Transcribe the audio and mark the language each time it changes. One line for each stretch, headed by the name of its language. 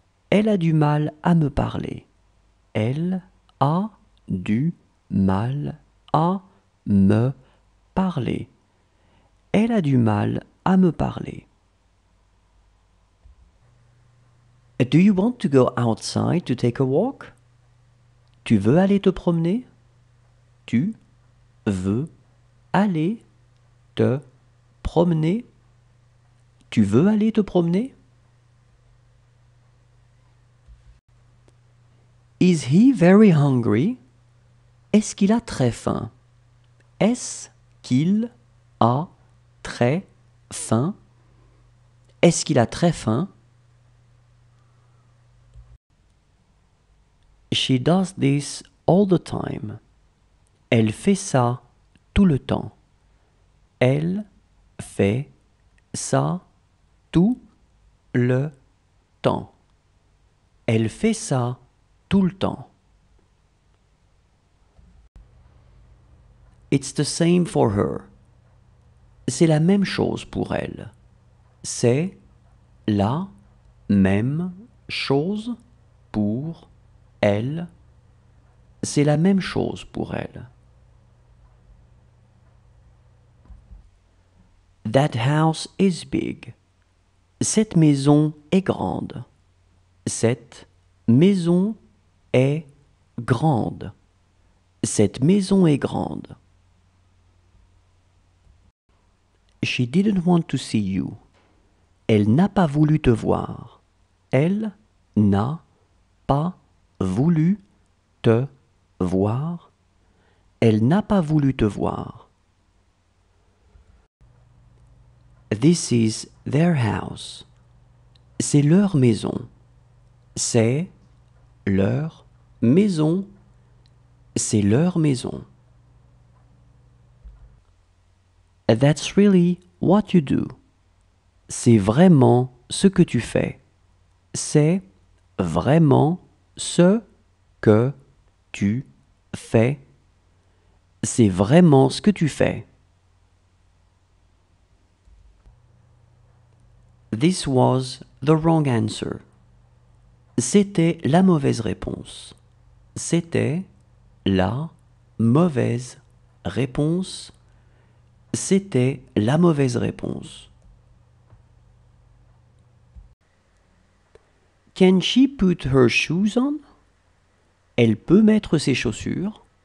French: Elle a du mal à me parler. Elle a du mal à me parler. Elle a du mal à me parler.
English: Do you want to go outside to take a walk?
French: Tu veux aller te promener? Tu veux aller te promener? Tu veux aller te promener?
English: Is he very hungry?
French: Est-ce qu'il a très faim? Est-ce qu'il a très faim? Est-ce qu'il a très faim?
English: She does this all the time.
French: Elle fait ça tout le temps. Elle fait ça tout le temps. Elle fait ça tout le temps.
English: It's the same for her.
French: C'est la même chose pour elle. C'est la même chose pour elle. même chose pour elle. C'est la même chose pour elle.
English: That house is big.
French: Cette maison est grande. Cette maison est grande. Cette maison est grande.
English: She didn't want to see you.
French: Elle n'a pas voulu te voir. Elle n'a pas voulu te voir. Elle n'a pas voulu te voir.
English: This is their house.
French: C'est leur maison. C'est leur maison. C'est leur maison.
English: That's really what you do.
French: C'est vraiment ce que tu fais. C'est vraiment ce que tu fais. C'est vraiment ce que tu fais.
English: This was the wrong answer.
French: C'était la mauvaise réponse. C'était la mauvaise réponse. C'était la mauvaise réponse.
English: Can she put her shoes on?
French: Elle peut mettre ses chaussures.